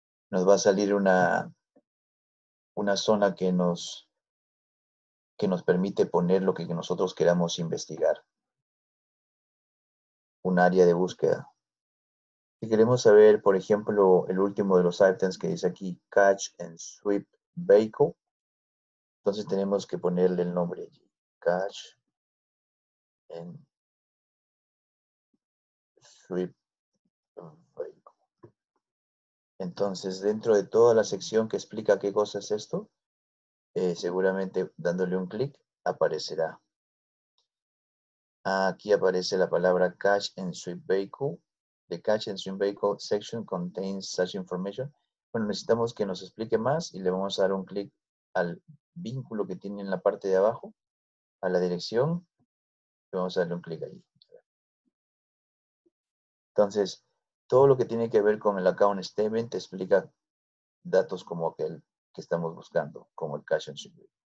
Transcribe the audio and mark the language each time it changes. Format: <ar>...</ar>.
<es>Nos va a salir una zona que nos permite poner lo que nosotros queramos investigar. Un área de búsqueda. Si queremos saber, por ejemplo, el último de los items que dice aquí, Catch and Sweep Vehicle, entonces tenemos que ponerle el nombre allí. Catch and Sweep Vehicle. Entonces, dentro de toda la sección que explica qué cosa es esto, seguramente dándole un clic aparecerá. Aquí aparece la palabra Catch and Sweep Vehicle.</es> <en>The Catch and Sweep Vehicle section contains such information.</en> <es>Bueno, necesitamos que nos explique más y le vamos a dar un clic al vínculo que tiene en la parte de abajo, a la dirección. Le vamos a darle un clic allí. Entonces, todo lo que tiene que ver con el account statement te explica datos como aquel que estamos buscando, como el cash and sweep.</es>